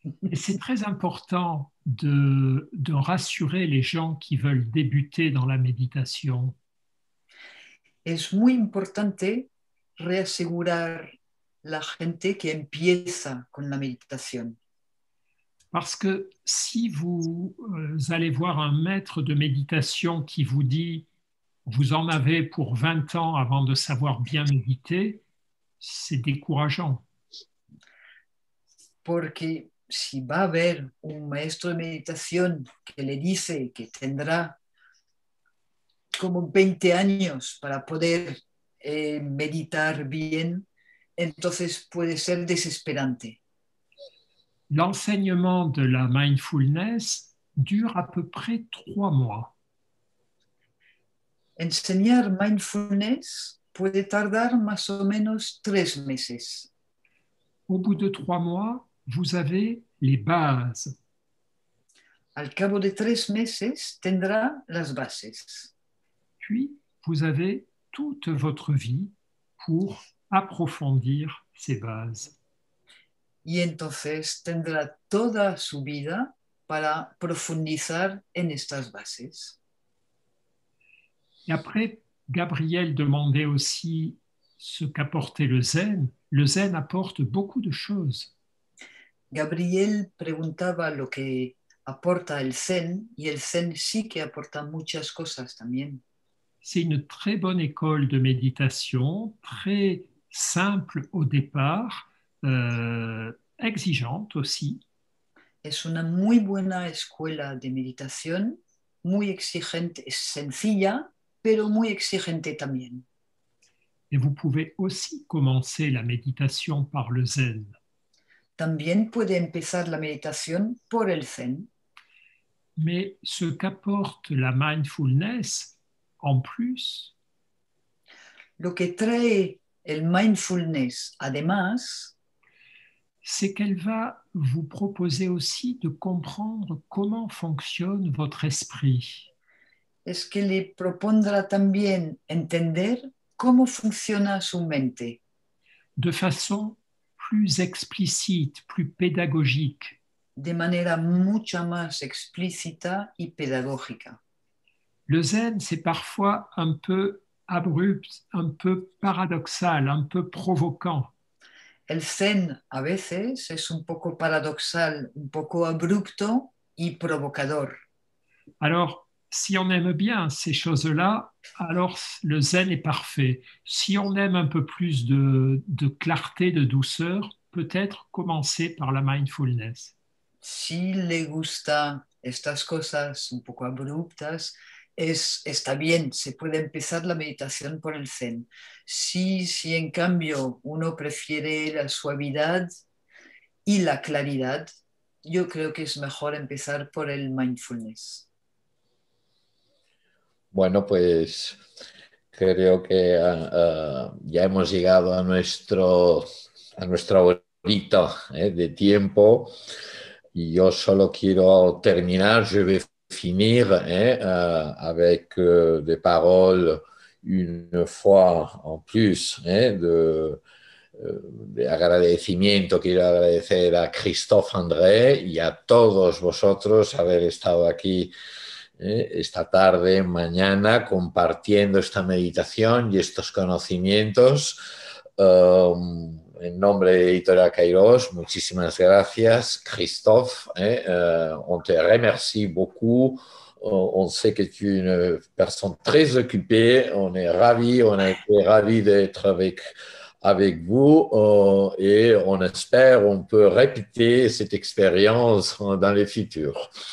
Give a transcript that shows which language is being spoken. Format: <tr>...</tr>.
<fr>Et c'est très important de rassurer les gens qui veulent débuter dans la méditation.</fr> <es>Es muy importante reasegurar la gente que empieza con la meditación.</es> <fr>Parce que si vous allez voir un maître de méditation qui vous dit vous en avez pour 20 ans avant de savoir bien méditer, c'est décourageant.</fr> <es>Porque si va a haber un maestro de meditación que le dice que tendrá como 20 años para poder meditar bien, entonces puede ser desesperante.</es> <fr>L'enseignement de la mindfulness dure à peu près 3 mois.</fr> <es>Enseñar mindfulness puede tardar más o menos 3 meses.</es> <fr>Au bout de 3 mois, vous avez les bases.</fr> <es>Al cabo de 3 meses, tendrá las bases.</es> <fr>Puis, vous avez toute votre vie pour approfondir ces bases.</fr> <es>Y entonces tendrá toda su vida para profundizar en estas bases.</es> <fr>Y après, Gabriel demandait aussi ce qu'apportait le zen. Le zen apporte beaucoup de choses.</fr> <es>Gabriel preguntaba lo que aporta el zen, y el zen sí que aporta muchas cosas también.</es> <fr>C'est une très bonne école de méditation, très simple au départ, exigeante aussi.</fr> <es>Es una muy buena escuela de meditación, muy exigente, es sencilla, pero muy exigente también.</es> <fr>Et vous pouvez aussi commencer la méditation par le zen.</fr> <es>También puede empezar la meditación por el zen.</es> <fr>Mais ce qu'apporte la mindfulness en plus,</fr> <es>Lo que trae el mindfulness, además,</es> <fr>c'est qu'elle va vous proposer aussi de comprendre comment fonctionne votre esprit.</fr> <es>es que le propondrá también entender cómo funciona su mente.</es> <fr>De façon plus explicite, plus pédagogique.</fr> <es>De manera mucho más explícita y pedagógica.</es> <fr>Le zen, c'est parfois un peu abrupt, un peu paradoxal, un peu provocant.</fr> <es>El zen a veces es un poco paradoxal, un poco abrupto y provocador.</es> <fr>Alors, si on aime bien ces choses-là, alors le zen est parfait. Si on aime un peu plus de clarté, de douceur, peut-être commencer par la mindfulness.</fr> <es>Si le gusta estas cosas un poco abruptas, está bien, se puede empezar la meditación por el zen. Si en cambio uno prefiere la suavidad y la claridad, yo creo que es mejor empezar por el mindfulness. Bueno, pues creo que ya hemos llegado a nuestro horito de tiempo. Y yo solo quiero terminar,</es> <fr>je vais finir avec des paroles une fois en plus de agradecimiento.</fr> <es>Quiero agradecer a Christophe André y a todos vosotros haber estado aquí esta tarde, mañana, compartiendo esta meditación y estos conocimientos. En nombre de Editora Kairos, muchísimas gracias, Christophe.</es> <fr>On te remercie beaucoup. On sait que tu es une personne très occupée. On est ravis, on a été ravis d'être avec vous. Et on espère qu'on peut répéter cette expérience dans le futur.</fr>